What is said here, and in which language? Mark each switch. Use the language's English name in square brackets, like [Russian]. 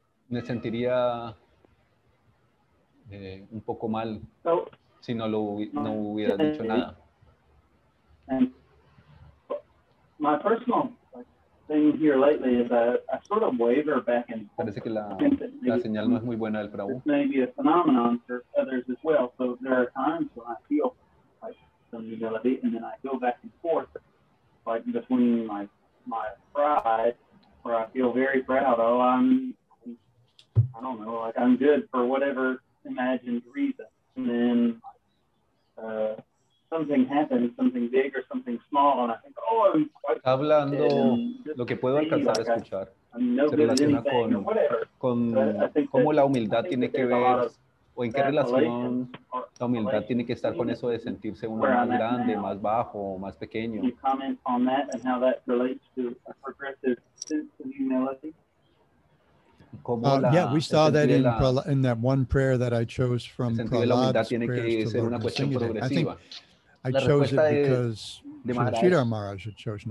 [Spanish] Me sentiría un poco mal si no hubiera dicho nada. [English] My personal thing here lately is a sort of waver back and forth. [Spanish] Parece que la señal no es muy buena del Prabhu. [English] This may be a phenomenon for others as well. So there are times when I feel like some humility, and then I go back and forth, like between my pride, where I feel very proud. Oh, I'm good for whatever imagined reason, and then something happens, something big or something small, and I think, oh, I'm quite [Spanish] lo que puedo alcanzar a escuchar. No se relaciona con cómo la humildad tiene que ver o en qué relación la humildad tiene que estar con eso de sentirse uno más grande, [English] now, [Spanish] más bajo, más pequeño. [English] Can you comment on that and how that relates to a progressive sense of humility? Yeah, we saw that in that one prayer that I chose from Prahlad's prayers to Lord to sing it. I chose it because Sridhar Maharaj had chosen.